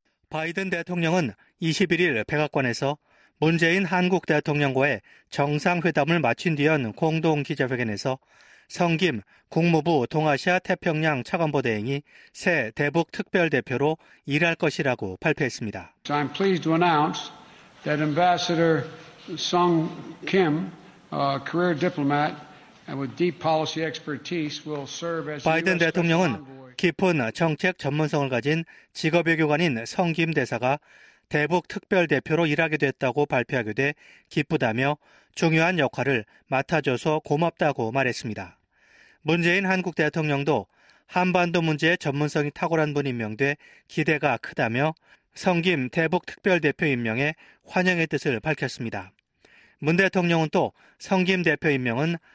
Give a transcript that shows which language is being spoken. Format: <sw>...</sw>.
<ko>바이든 대통령은 21일 백악관에서 문재인 한국 대통령과의 정상회담을 마친 뒤 연 공동 기자회견에서 성 김 국무부 동아시아 태평양 차관보 대행이 새 대북 특별 대표로 일할 것이라고 발표했습니다.</ko> <en>I'm pleased to announce that Ambassador Song Kim, a career diplomat with deep policy expertise, will serve as</en> <ko>바이든 대통령은 깊은 정책 전문성을 가진 직업외 교관인 성 김 대사가 대북 특별 대표로 일하게 됐다고 발표하게 돼 기쁘다며 중요한 역할을 맡아줘서 고맙다고 말했습니다. 문재인 한국 대통령도 한반도 문제의 전문성이 탁월한 분 임명돼 기대가 크다며 성 김 대북 특별 대표 임명에 환영의 뜻을 밝혔습니다. 문 대통령은 또 성 김 대표 임명은</ko>